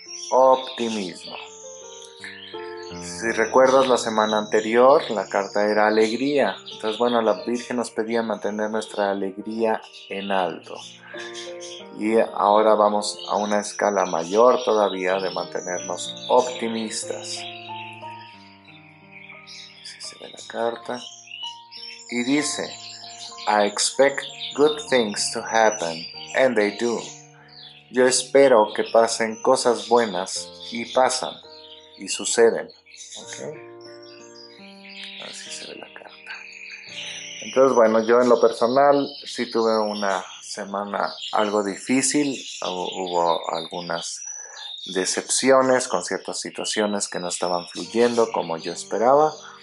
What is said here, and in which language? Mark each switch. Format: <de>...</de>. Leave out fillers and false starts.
<es>Optimismo. Si recuerdas la semana anterior, la carta era alegría. Entonces, bueno, la Virgen nos pedía mantener nuestra alegría en alto. Y ahora vamos a una escala mayor todavía de mantenernos optimistas. Así se ve la carta. Y dice,</es> <en>I expect good things to happen, and they do.</en> <es>Yo espero que pasen cosas buenas, y pasan, y suceden. Okay. Así se ve la carta. Entonces, bueno, yo en lo personal sí tuve una semana algo difícil, hubo algunas decepciones con ciertas situaciones que no estaban fluyendo como yo esperaba.</es>